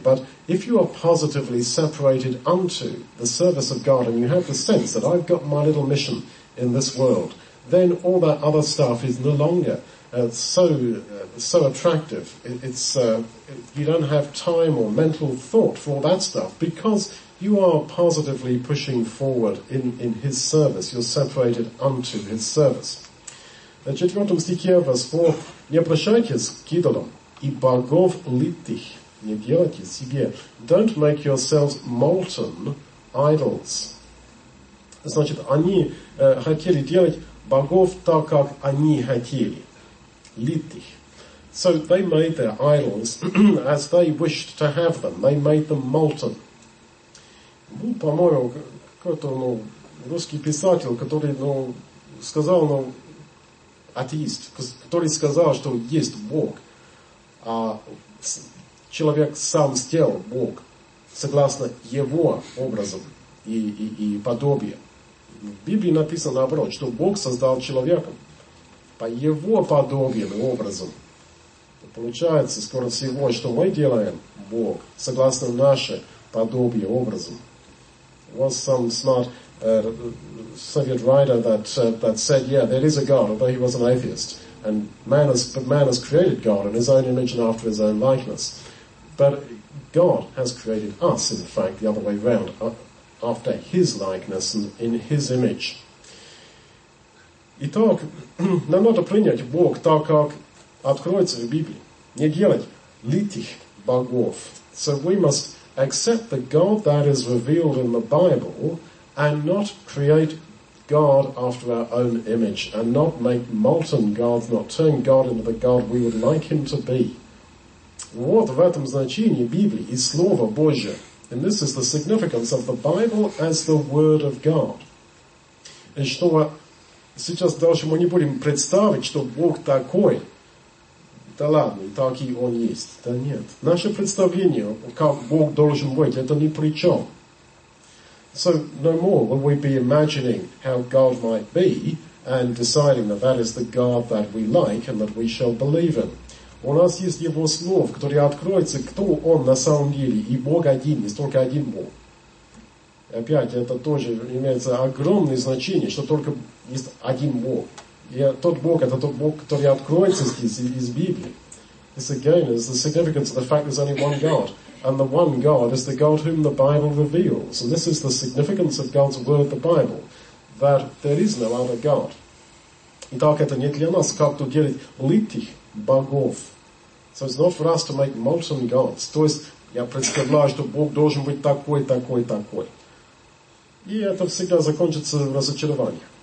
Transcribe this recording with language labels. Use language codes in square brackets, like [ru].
[en] But if you are positively separated unto the service of God, and you have the sense that I've got my little mission in this world, then all that other stuff is no longer so attractive. You don't have time or mental thought for all that stuff, because you are positively pushing forward in His service. You're separated unto His service. [ru] В 4 стихе, [en] verse 4, [ru] не обращайтесь к идолам и богов литых. Не делайте себе. [en] Don't make yourselves molten idols. [ru] Значит, они хотели делать богов так, как они хотели. Литых. [en] So they made their idols as they wished to have them. They made them molten. [ru] По-моему, какой-то русский писатель, который сказал, атеист, который сказал, что есть Бог, а человек сам сделал Бог согласно его образу и подобию. В Библии написано наоборот, что Бог создал человека по его подобию и образу. Получается, скоро всего, что мы делаем Бог согласно нашей подобию и образу. [en] Was some smart Soviet writer that said, "Yeah, there is a God, although he was an atheist, and man has created God in his own image and after his own likeness. But God has created us, in fact, the other way round, after His likeness and in His image." [ru] Итак, нам надо принять Бог так, как откроется в Библии, не делать литых богов. [en] So we must accept the God that is revealed in the Bible and not create God after our own image and not make molten gods, not turn God into the God we would like Him to be. [ru] Вот в этом значении Библии и Слово Божие. [en] And this is the significance of the Bible as the Word of God. [ru] И что сейчас дальше мы не будем представить, что Бог такой. Да ладно, так и он есть. Да нет. Наше представление, как Бог должен быть, это ни при чем. [en] So no more will we be imagining how God might be and deciding that that is the God that we like and that we shall believe in. [ru] У нас есть Его Слово, в которое откроется, кто Он на самом деле. И Бог один, есть только один Бог. И опять, это тоже имеется огромное значение, что только есть один Бог. И тот Бог, это тот Бог, который откроется здесь из Библии. [en] This again is the significance of the fact there's only one God. And the one God is the God whom the Bible reveals. And this is the significance of God's word, the Bible, that there is no other God. [ru] Итак, это не для нас, как тут делать литих богов. [en] So it's not for us to make molten gods. [ru] То есть, я представляю, что Бог должен быть такой, такой, такой. И это всегда закончится разочарованием.